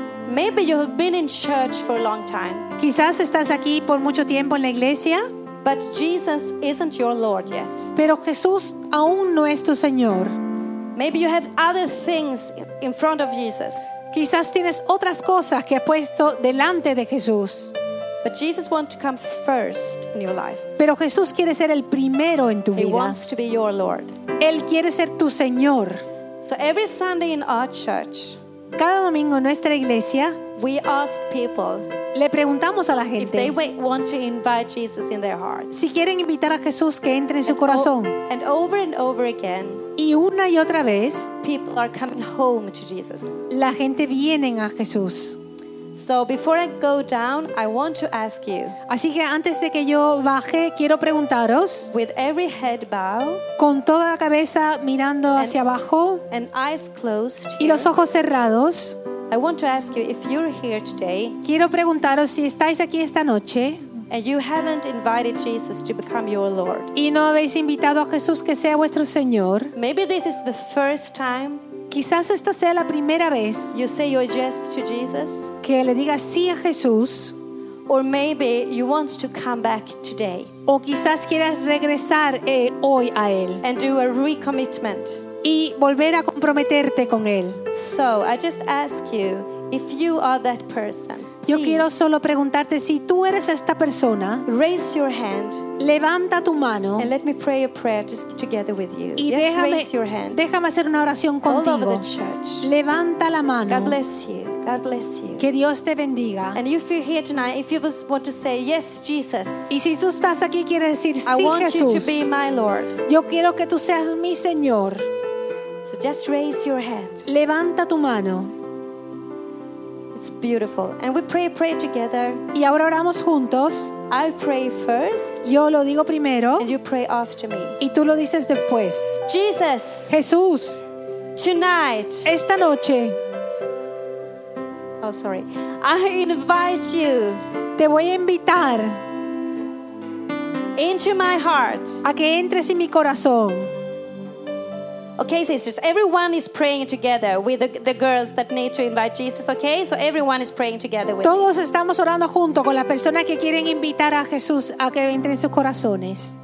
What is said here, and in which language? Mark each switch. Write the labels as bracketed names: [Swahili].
[English] Maybe you have been in church for a long time. [Spanish] Quizás estás aquí por mucho tiempo en la iglesia. [English] But Jesus isn't your Lord yet. [Spanish] Pero Jesús aún no es tu Señor. [English] Maybe you have other things in front of Jesus. [Spanish] Quizás tienes otras cosas que has puesto delante de Jesús. [English] But Jesus wants to come first in your life. [Spanish] Pero Jesús quiere ser el primero en tu [English] He [Spanish] vida. [English] He wants to be your Lord. [Spanish] Él quiere ser tu Señor. [English] So every Sunday in our church, [Spanish] cada domingo en nuestra iglesia, [English] we ask people, [Spanish] le preguntamos a la gente [English] if they want to invite Jesus in their heart, [Spanish] si quieren invitar a Jesús que entre en su corazón. [English] And over and over again, [Spanish] y una y otra vez, [English] people are coming home to Jesus. [Spanish] La gente viene a Jesús. [English] So before I go down, I want to ask you, [Spanish] así que antes de que yo baje, quiero preguntaros, [English] with every head bow, [Spanish] con toda la cabeza mirando hacia abajo, [English] and eyes closed, [Spanish] y los ojos cerrados, [English] I want to ask you if you're here today. [Spanish] Quiero preguntaros si estáis aquí esta noche. [English] And you haven't invited Jesus to become your Lord. [Spanish] Y no habéis invitado a Jesús que sea vuestro Señor. [English] Maybe this is the first time. [Spanish] Quizás esta sea la primera vez. [English] You say your yes to Jesus. [Spanish] Que le digas sí a Jesús. [English] Or maybe you want to come back today. [Spanish] O quizás quieras regresar hoy a él. [English] And do a recommitment. [Spanish] Y volver a comprometerte con él. [English] So I just ask you if you are that person. [Spanish] Yo quiero solo preguntarte si tú eres esta persona. [English] Raise your hand. [Spanish] Levanta tu mano. [English] And let me pray a prayer together with you. [Spanish] Y [English] yes, [Spanish] déjame, [English] raise your hand. [Spanish] Déjame hacer una oración contigo. [English] All over the church. [Spanish] Levanta la mano. [English] God bless you. God bless you. [Spanish] Que Dios te bendiga. [English] And if you're here tonight, if you just want to say yes, Jesus. [Spanish] Y si tú estás aquí quieres decir sí, [English] I want [Spanish] Jesús. [English] You to be my Lord. [Spanish] Yo quiero que tú seas mi Señor. [English] So just raise your hand. [Spanish] Levanta tu mano. [English] It's beautiful. And we pray together. [Spanish] Y ahora oramos juntos. [English] I pray first. [Spanish] Yo lo digo primero. [English] And you pray after me. [Spanish] Y tú lo dices después. [English] Jesus. [Spanish] Jesús. [English] Tonight. [Spanish] Esta noche. [English] Oh, sorry. I invite you. [Spanish] Te voy a invitar. [English] Into my heart. [Spanish] A que entres en mi corazón. [English] Okay, sisters, everyone is praying together with the girls that need to invite Jesus, okay? So everyone is praying together with [Spanish] Todos estamos orando junto con las personas que quieren invitar a Jesús a que entre en sus corazones.